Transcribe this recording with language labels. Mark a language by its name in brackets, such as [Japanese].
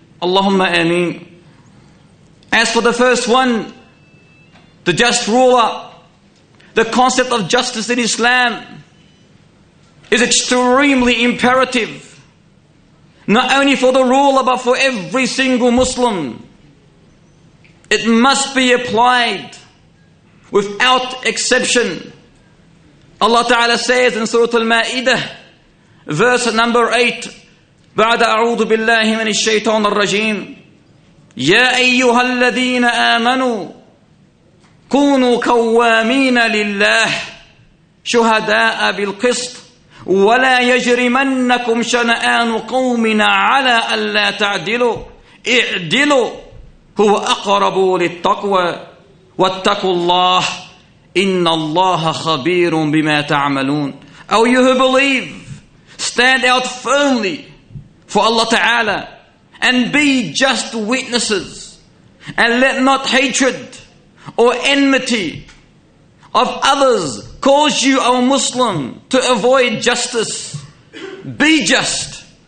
[English] Allahumma ameen. As for the first one, the just ruler, the concept of justice in Islam is extremely imperative, not only for the ruler but for every single Muslim. It must be applied without exception. Allah Ta'ala says in Surah Al-Ma'idah, verse number 8, [Arabic] بعد أعوذ بالله من الشيطان الرجيم يا أيها الذين آمنوا كونوا قوامين لله شهداء بالقسط ولا يجرمنكم شنآن قوم على ألا تعدلوا اعدلوا هو أقرب للتقوى واتقوا الله إن الله خبير بما تعملون. [English] Oh, you who believe, stand out firmly for Allah Ta'ala and be just witnesses, and let not hatred or enmity of others cause you, O Muslim, to avoid justice. Be just.